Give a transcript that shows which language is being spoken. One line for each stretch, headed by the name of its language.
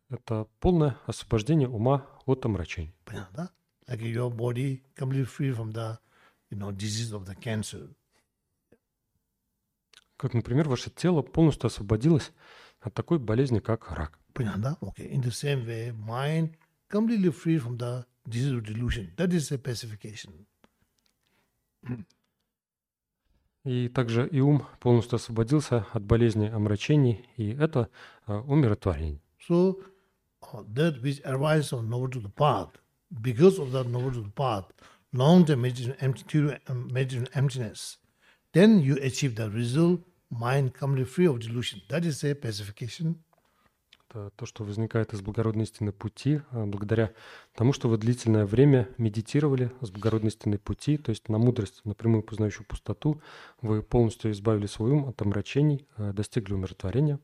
Russian: Это полное освобождение ума от омрачений. Понятно, да?
English: Like your body completely free from the, you know, disease of the cancer.
Russian: Как, например, ваше тело полностью освободилось от такой болезни, как рак. Понятно, да? Okay.
English: In the same way, mind completely free from the disease of delusion. That is a pacification.
Russian: И также и ум полностью освободился от болезни омрачений, и это умиротворение.
English: So that which arises on novel to the path, because of that novel to the path, long-term emptiness, then you achieve the result, mind completely free of delusion. That is a pacification.
Russian: Это то, что возникает из благородной истины пути, благодаря тому, что вы длительное время медитировали с благородной истиной пути, то есть на мудрость, на прямую познающую пустоту, вы полностью избавили свой ум от омрачений, достигли умиротворения.